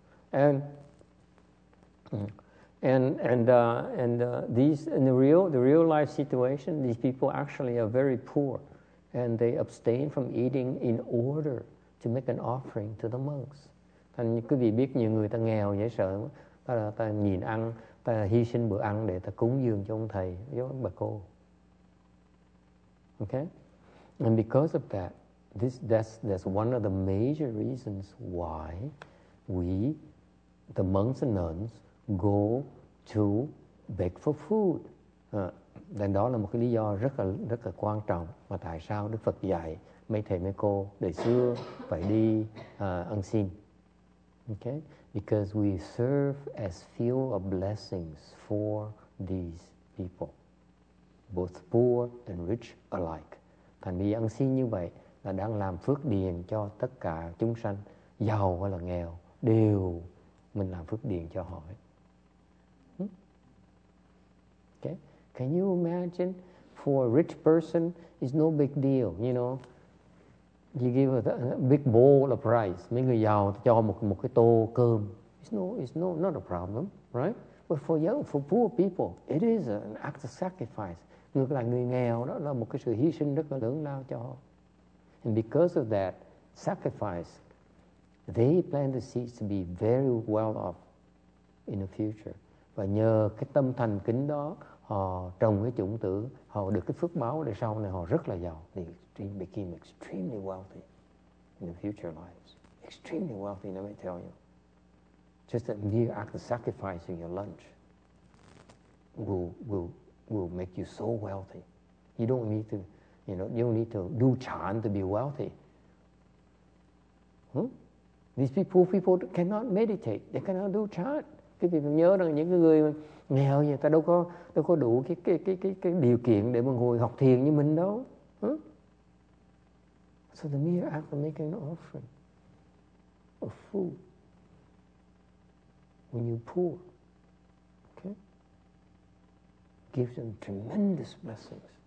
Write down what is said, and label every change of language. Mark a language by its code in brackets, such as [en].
[en] And these in the real life situation, these people actually are very poor, and they abstain from eating in order to make an offering to the monks. [vi] Thành quý vị biết nhiều người ta nghèo dễ sợ, ta nhìn ăn. Ta hy sinh bữa ăn để ta cúng dường cho ông thầy với bà cô. [en] Okay? And because of that, that's one of the major reasons why we, the monks and nuns, go to beg for food. [vi] Đây đó là một cái lý do rất là quan trọng mà tại sao Đức Phật dạy mấy thầy mấy cô đời xưa phải đi ăn xin. [en] Okay? Because we serve as fuel of blessings for these people, both poor and rich alike. [vi] Thành vì ăn xin như vậy là đang làm phước điền cho tất cả chúng sanh, giàu hay là nghèo, đều mình làm phước điền cho họ. [en] Okay? Can you imagine for a rich person, it's no big deal, you know? You give a big bowl of rice. [vi] Mấy người giàu cho một cái tô cơm. [en] It's not a problem, right? But for poor people, it is an act of sacrifice. [vi] Ngược lại người nghèo đó là một cái sự hy sinh rất là lớn lao cho họ. [en] And because of that sacrifice, they plant the seeds to be very well off in the future. [vi] Và nhờ cái tâm thành kính đó, họ trồng cái chủng tử, họ được cái phước báo để sau này họ rất là giàu. [en] They became extremely wealthy in the future lives. Extremely wealthy, let me tell you. Just a mere act of sacrificing your lunch will make you so wealthy. You don't need to, you know, you don't need to do chan to be wealthy. These poor people cannot meditate. They cannot do chan. [vi] Các vị nhớ rằng những người nghèo người ta đâu có đủ cái điều kiện để mà ngồi học thiền như mình đâu. [en] So the mere act of making an offering of food when you're poor, okay, gives them tremendous blessings.